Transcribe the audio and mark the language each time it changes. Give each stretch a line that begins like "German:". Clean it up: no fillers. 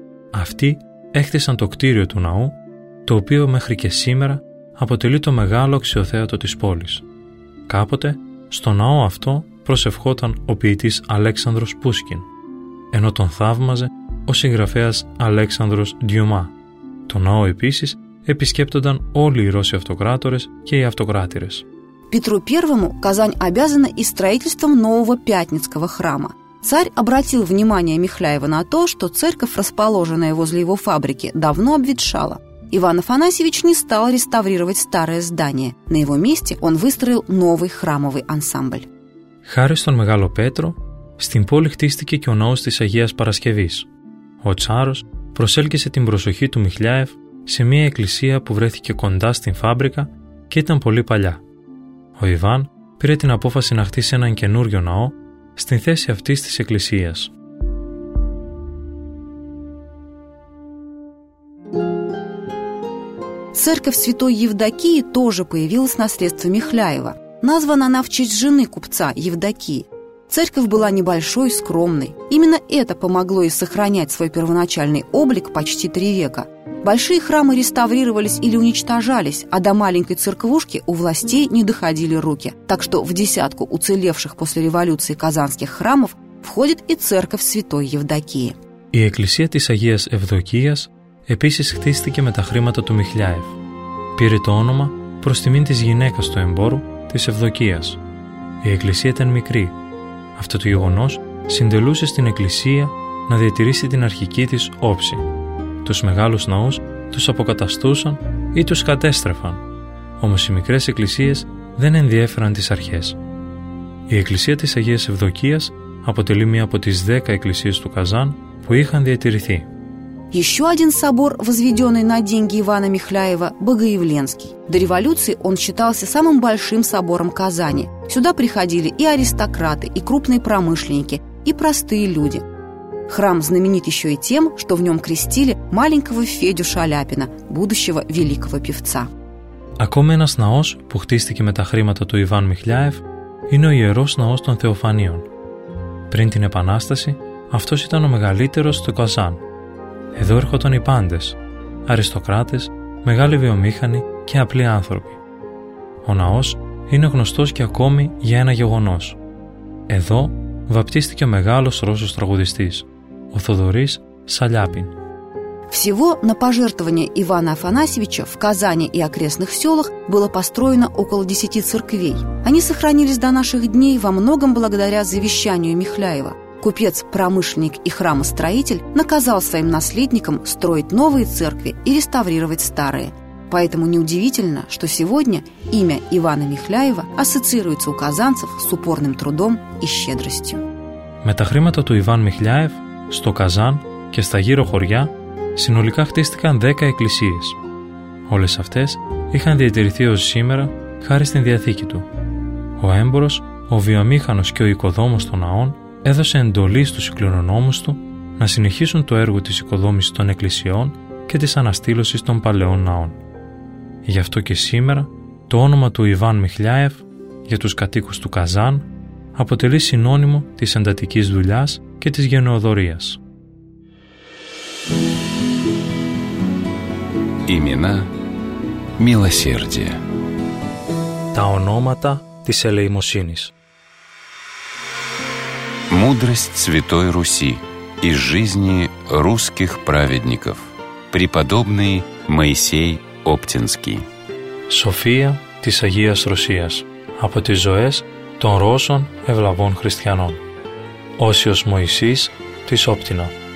Greek: Αυτοί έχτισαν το κτίριο του ναού, το οποίο μέχρι και σήμερα αποτελεί το μεγάλο αξιοθέατο της πόλης. Κάποτε, στο ναό αυτό προσευχόταν ο ποιητής Αλέξανδρος Πούσκιν, ενώ τον θαύμαζε ο συγγραφέας Αλέξανδρος Ντιουμά. Το ναό επίσης επισκέπτονταν όλοι οι Ρώσοι αυτοκράτορες και οι αυτοκράτηρες.
Russian: Петру I Казань обязана и строительством нового Пятницкого храма. Царь обратил внимание Михляева на то, что церковь, расположенная возле его фабрики, давно обветшала. Иван Афанасьевич не стал реставрировать старое здание. На его месте он выстроил новый храмовый ансамбль.
Greek: Χάρη στον Μεγάλο Πέτρο, στην πόλη χτίστηκε και ο ναός της Αγίας Παρασκευής. Ο τσάρος προσέλκυσε την προσοχή του Μιχλιάεφ σε μια εκκλησία που βρέθηκε κοντά στην φάμπρικα και ήταν πολύ παλιά. Ο Ιβάν πήρε την απόφαση να χτίσει έναν καινούριο ναό στην θέση αυτής της εκκλησίας.
Russian: Церковь Святой Евдокии тоже появилась наследство Михляева. Названа она в честь жены купца Евдокии. Церковь была небольшой, скромной. Именно это помогло ей сохранять свой первоначальный облик почти 3 века. Большие храмы реставрировались или уничтожались, а до маленькой церквушки у властей не доходили руки. Так что в десятку уцелевших после революции казанских храмов входит и церковь Святой Евдокии.
Greek: Η εκκλησία της Αγίας Ευδοκίας επίσης χτίστηκε με τα χρήματα του Μιχλιάεφ. Πήρε το όνομα προς τιμήν της γυναίκας του εμπόρου, της Ευδοκίας. Η εκκλησία ήταν μικρή. Αυτό το γεγονός συντελούσε στην εκκλησία να διατηρήσει την αρχική της όψη. Τους μεγάλους ναούς τους αποκαταστούσαν ή τους κατέστρεφαν. Όμως οι μικρές εκκλησίες δεν ενδιέφεραν τις αρχές. Η εκκλησία της Αγίας Ευδοκίας αποτελεί μία από τις 10 εκκλησίες του Καζάν που είχαν διατηρηθεί.
Russian: Еще один собор, возведенный на деньги Ивана Михляева, Богоявленский. До революции он считался самым большим собором Казани. Сюда приходили и аристократы, и крупные промышленники, и простые люди. Храм знаменит еще и тем, что в нем крестили маленького Федю Шаляпина, будущего великого певца.
Greek: Ακόμα ένας ναός που χτίστηκε με τα χρήματα του Ιβάν Μιχλιάεφ είναι ο Ιερός Ναός των Θεοφανίων. Πριν την Επανάσταση, αυτός ήταν ο μεγαλύτερος του Καζάν. Εδώ έρχονταν οι πάντες, αριστοκράτες, μεγάλοι βιομήχανοι και απλοί άνθρωποι. Ο ναός είναι γνωστός και ακόμη για ένα γεγονός. Εδώ βαπτίστηκε ο μεγάλος Ρώσος τραγουδιστής, ο Θοδωρής Σαλιάπιν.
Russian: Всего на пожертвования Ивана Афанасьевича в Казани и окрестных селах было построено около 10 церквей. Они сохранились до наших дней во многом благодаря завещанию Михляева. Купец, промышленник и храмостроитель наказал своим наследникам строить новые церкви и реставрировать старые. Поэтому неудивительно, что сегодня имя Ивана Михляева ассоциируется у казанцев с упорным трудом и щедростью.
Greek: Με τα χρήματα του Ιβάν Михляев στο Καζάν και στα γύρω χωριά συνολικά χτίστηκαν 10 εκκλησίες. Όλες αυτές είχαν διατηρηθεί ως σήμερα χάρη στην διαθήκη του. Ο έμπορος, ο βιομήχανος και ο οικοδόμος των ναών έδωσε εντολή στους κληρονόμους του να συνεχίσουν το έργο της οικοδόμησης των εκκλησιών και της αναστήλωσης των παλαιών ναών. Γι' αυτό και σήμερα το όνομα του Ιβάν Μιχλιάεφ για τους κατοίκους του Καζάν αποτελεί συνώνυμο της εντατικής δουλειάς και της γενεοδορίας.
Russian: Имена милосердия.
Greek: Τα ονόματα της ελεημοσύνης.
Russian: Мудрость Святой Руси из жизни русских праведников. Преподобный Моисей Оптинский.
Greek: София της Агίας Ρωσίας. Από τις ζωές των Ρώσων ευλαβών χριστιανών. Όσιος Μωυσής της Όπτινα.